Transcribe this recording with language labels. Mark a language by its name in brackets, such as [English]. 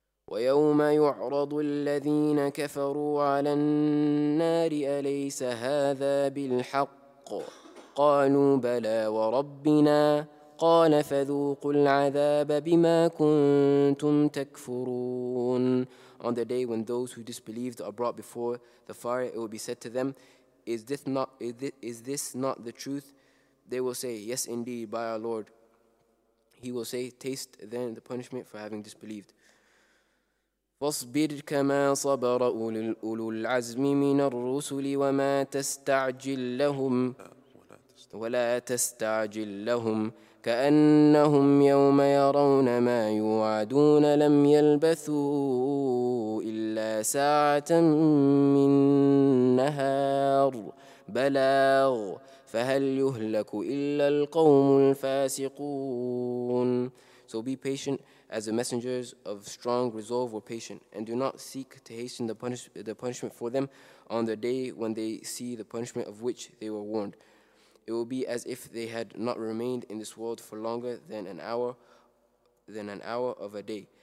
[Arabic] وَيَوْمَ يُعْرَضُ الَّذِينَ كَفَرُوا عَلَى النَّارِ أَلَيْسَ هَذَا بِالْحَقِّ قَالُوا بَلَى وَرَبِّنَا قال فذوقوا العذاب بما كنتم تكفرون. [English] On the day when those who disbelieved are brought before the fire, it will be said to them, is this not the truth? They will say, yes indeed, by our Lord. He will say, taste then the punishment for having disbelieved. [Arabic] فاصبر كما صبر أولو العزم من الرسل وما تستعجل لهم ولا تستعجل لهم كأنهم يوم يرون ما يوعدون لم يلبثوا إلا ساعة من نهار بلاغ فهل يهلك إلا القوم الفاسقون. [English] So be patient as the messengers of strong resolve were patient, and do not seek to hasten the punishment for them on the day when they see the punishment of which they were warned. It will be as if they had not remained in this world for longer than an hour of a day.